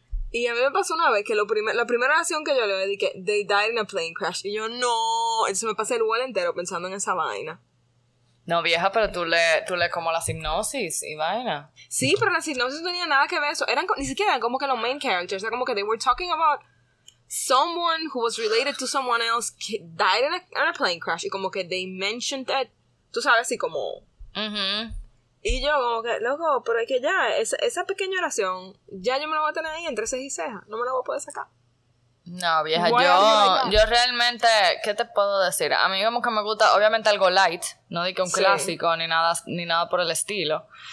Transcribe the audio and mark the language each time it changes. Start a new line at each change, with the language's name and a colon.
Spanish: Y a mí me pasó una vez que la primera oración que yo le dediqué,
English: they died in a plane crash,
Spanish: y yo, no, entonces me pasé el vuelo entero pensando en esa vaina. No, vieja, pero tú lees como la sinopsis y vaina. Sí, pero la sinopsis no tenía nada que ver eso. Eran ni siquiera eran como que los
English: main characters.
Spanish: Era como que
English: they were talking about someone who was related to someone else
Spanish: que
English: died in a plane crash.
Spanish: Y como que
English: they mentioned it.
Spanish: Tú sabes, así como... Uh-huh. Y yo como que, loco, pero es que ya, esa pequeña oración, ya yo me la voy a tener ahí entre ceja y ceja. No me la voy a poder sacar. No, vieja, yo realmente, ¿qué te puedo decir? A mí como que me gusta, obviamente, algo light, no digo un clásico, ni nada por el estilo.